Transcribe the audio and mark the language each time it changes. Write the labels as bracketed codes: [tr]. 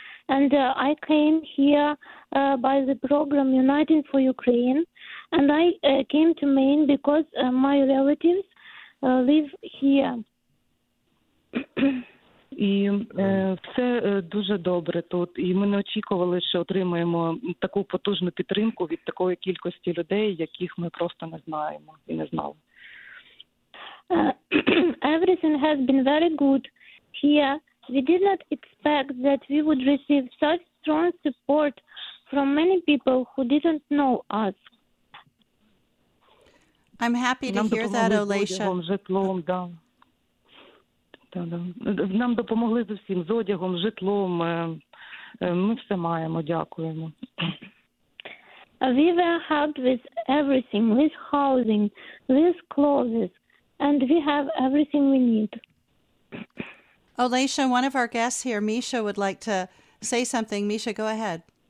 [en] And I came here by the program Uniting for Ukraine. And I came to Maine because my relatives live here. [uk] І все дуже добре тут. І ми не очікували, що отримаємо таку потужну підтримку від такої кількості людей, яких ми просто не знаємо і не знали. [en] Everything has been very good here. We did not expect that we would receive such strong support from many people who didn't know us. I'm happy to hear that, Олеся. [uk] З житлом, да. Нам допомогли з усім, з одягом, житлом. Ми все маємо, дякуємо. [en] We were helped with everything, with housing, with clothes, and we have everything we need. Олеся, one of our guests here, Misha, would like to say something. Misha, go ahead.